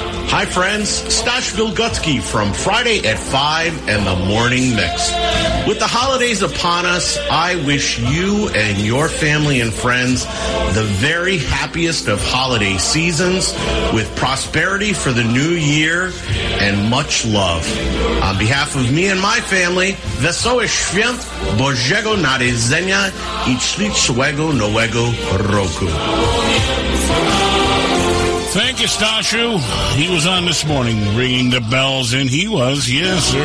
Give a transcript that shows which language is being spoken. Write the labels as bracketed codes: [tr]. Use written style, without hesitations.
[en] Hi friends, Stas Vilgotsky from Friday at 5 and the Morning Mix. With the holidays upon us, I wish you and your family and friends the very happiest of holiday seasons with prosperity for the new year and much love. On behalf of me and my family, [pl] Wesołe Świąt, Bożego Narodzenia I Szczęśliwego Nowego Roku. [en] Thank you, Stashu. He was on this morning ringing the bells, and he was, yes, sir.